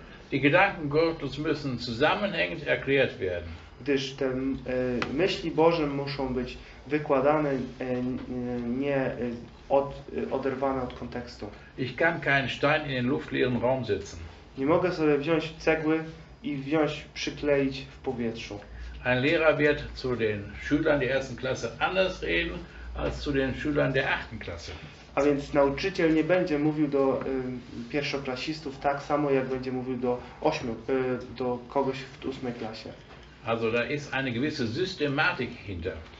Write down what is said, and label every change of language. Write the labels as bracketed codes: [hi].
[de] Die Gedanken Gottes müssen zusammenhängend erklärt werden. [pl] Gdyż te myśli Boże muszą być wykładane, nie oderwane od kontekstu. [de] Ich kann keinen Stein in den luftleeren Raum setzen. [pl] Nie mogę sobie wziąć cegły i przykleić w powietrzu. [de] Ein Lehrer wird zu den Schülern der ersten Klasse anders reden als zu den Schülern der achten Klasse. [pl] A więc nauczyciel nie będzie mówił do pierwszoklasistów tak samo, jak będzie mówił do kogoś w ósmej klasie. [de] Also da ist eine gewisse Systematik hinter.